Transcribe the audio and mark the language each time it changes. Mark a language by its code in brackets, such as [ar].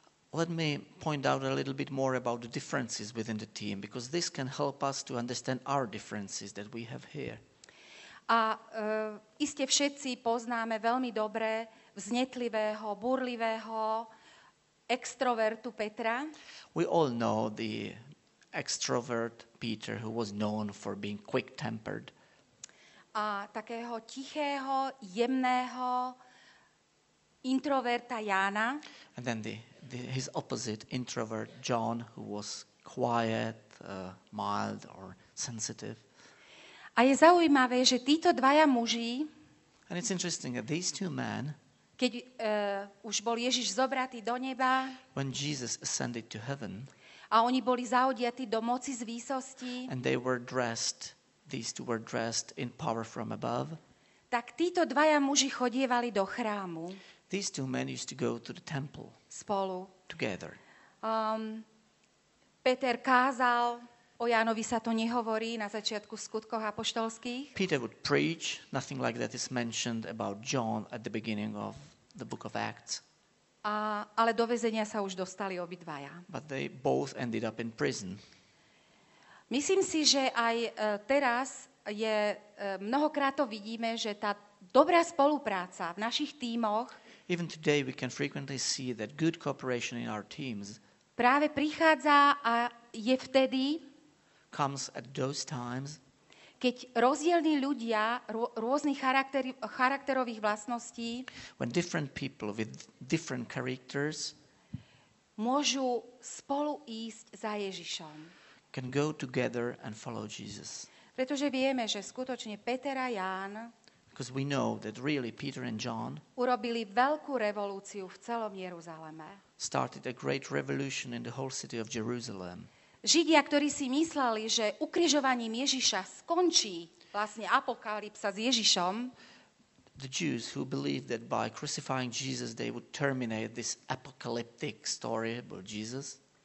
[en] Let me point out a little bit more about the differences within the team, because this can help us to understand our differences that we have here. [sk] A iste všetci poznáme veľmi dobre vznetlivého, burlivého extrovertu Petra. [en] We all know the extrovert Peter, who was known for being quick-tempered. [sk] A takého tichého, jemného introverta Jána. [en] And then his opposite introvert John, who was quiet, mild or sensitive. [sk] A je zaujímavé, že títo dvaja muži, [en] and it's interesting that these two men, [sk] keď už bol Ježiš zobratý do neba, [en] when Jesus ascended to heaven, [sk] a oni boli zaodiatí do moci z výsosti, [en] and they were dressed, these two were dressed in power from above, [sk] tak títo dvaja muži chodievali do chrámu. [en] These two men used to go to the temple [sk] spolu [en] together. [sk] Peter kázal, o Jánovi sa to nehovorí na začiatku Skutkov apoštolských. [en] Peter would preach, nothing like that is mentioned about John at the beginning of the book of Acts. [sk] Ale do väzenia sa už dostali obidvaja. [en] But they both ended up in prison. [sk] Myslím si, že aj teraz je mnohokrát to vidíme, že tá dobrá spolupráca v našich tímoch, [en] even today we can frequently see that good cooperation in our teams, [sk] práve prichádza a je vtedy, [en] comes at those times, [sk] keď rozdielní ľudia rôznych charakterových vlastností, [en] when different people with different characters, [sk] môžu spolu ísť za Ježišom. [en] Can go together and follow Jesus. [sk] Pretože vieme, že skutočne Peter a Ján [en] because we know that really Peter and John [sk] urobili veľkú revolúciu v celom Jeruzaleme. [en] Started a great revolution in the whole city of Jerusalem. [sk] Židia, ktorí si mysleli, že ukrižovaním Ježiša skončí vlastne apokalypsa s Ježišom, [en] the Jews who believed that by crucifying Jesus they would terminate this apocalyptic story about Jesus,